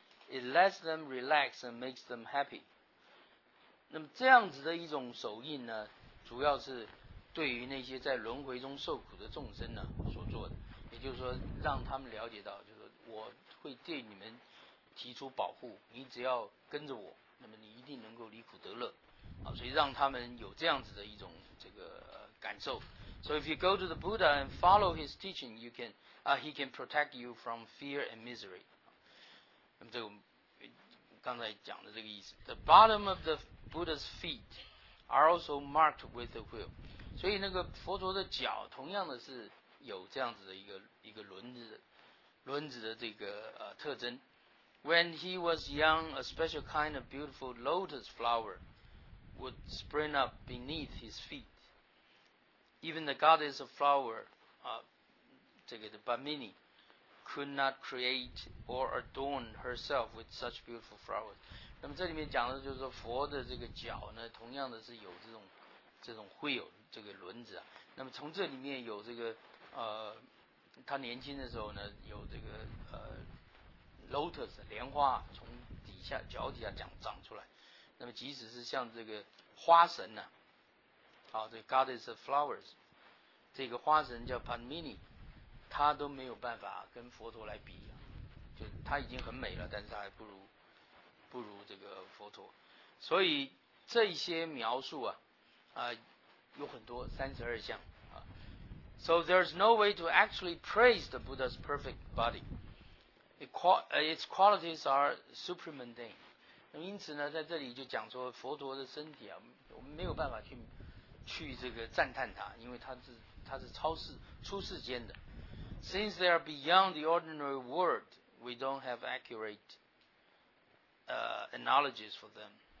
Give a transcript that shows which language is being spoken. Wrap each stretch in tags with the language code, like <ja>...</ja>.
<en>It lets them relax and makes them happy.</en> <zh>那么这样子的一种手印呢，主要是。对于那些在轮回中受苦的众生呢所做的，也就是说让他们了解到，就是我会对你们提出保护，你只要跟着我，那么你一定能够离苦得乐啊，所以让他们有这样子的一种这个感受。</zh> <en>So if you go to the Buddha and follow his teaching, you can, he can protect you from fear and misery.</en> <zh>那么这个刚才讲的这个意思。</zh> <en>The bottom of the Buddha's feet are also marked with the wheel.</en> <zh>所以那个佛陀的脚同样的是有这样子的一个轮子的这个特征。</zh> <en>When he was young, a special kind of beautiful lotus flower would spring up beneath his feet. Even the goddess of flower, Bhamini, could not create or adorn herself with such beautiful flowers.</en> <zh>那么这里面讲的就是说佛的这个脚呢，同样的是有这种会有这个轮子啊。那么从这里面有这个他年轻的时候呢，有这个lotus 莲花从底下脚底下长出来。那么即使是像这个花神呢、这个</zh> <en>goddess of flowers，</en> <zh>这个花神叫 Padmini， 他都没有办法跟佛陀来比、就他已经很美了，但是他还不如这个佛陀。所以这些描述有很多32项啊。</zh> <en>So there's no way to actually praise the Buddha's perfect body. Its qualities are supramundane.</en> <zh>那因此呢，在这里就讲说佛陀的身体啊，我们没有办法去这个赞叹他，因为他是出世间的。</zh> <en>Since they are beyond the ordinary world, we don't have accurate analogies for them.</en>